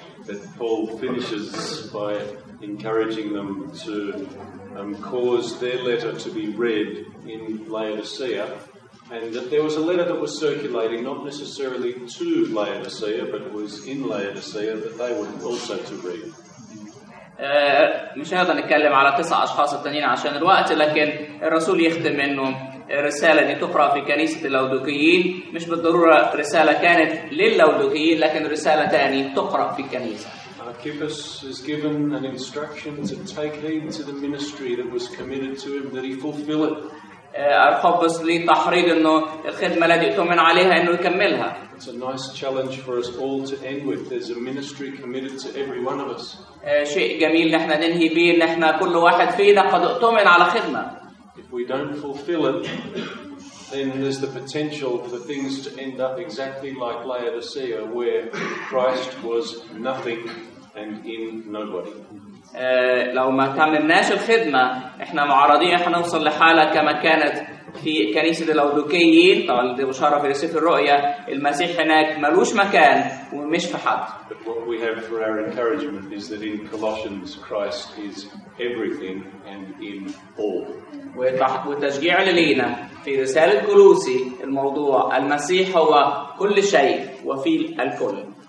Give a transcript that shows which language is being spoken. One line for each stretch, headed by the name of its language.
English: But Paul finishes by encouraging them to cause their letter to be read in Laodicea. And that there was a letter that was circulating, not necessarily to Laodicea, but it was in Laodicea that they would also to read.
Arabic: مش هنقدر نتكلم على 9 أشخاص التانيين عشان الوقت، لكن الرسول يختم إنه الرسالة دي تقرأ في كنيسة اللودوكيين، مش بالضرورة رسالة كانت للودوكيين، لكن رسالة تانية تقرأ في كنيسة.
English: Archippus is given an instruction to take heed to the ministry that was committed to him, that he fulfill it.
Arabic: أرخبص لي تحريض إنه الخدمة التي أؤمن عليها إنه يكملها.
English: It's a nice challenge for us all to end with. There's a ministry committed to every one of us.
Arabic: شيء جميل نحن ننهي به نحن كل واحد فينا قد أؤمن على خدمة.
English: If we don't fulfill it, then there's the potential for things to end up exactly like Laodicea, where Christ was nothing and in nobody.
Arabic: لو ما كملناش الخدمة احنا معرضين احنا نوصل لحالة كما كانت في كنيسة اللودوكيين. طبعا دي بشارة في سفر الرؤيا، المسيح هناك ملوش مكان ومش في حد.
English: But what we have for our encouragement is that in Colossians Christ is everything and in all.
Arabic: والتشجيع لنا في رسالة كولوسي الموضوع المسيح هو كل شيء وفي الكل.